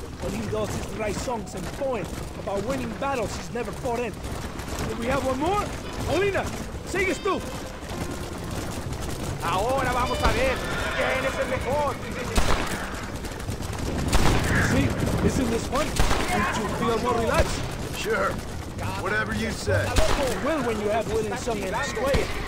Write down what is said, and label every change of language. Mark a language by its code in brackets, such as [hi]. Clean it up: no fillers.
[en] All he does is write songs and poems about winning battles he's never fought in. Did we have one more? Molina, [es] sigue tú. Ahora vamos a ver quién es el mejor. [en] See, isn't this fun? Don't you feel more relaxed? Sure. Whatever you say. You will when you have Willing Sung in square.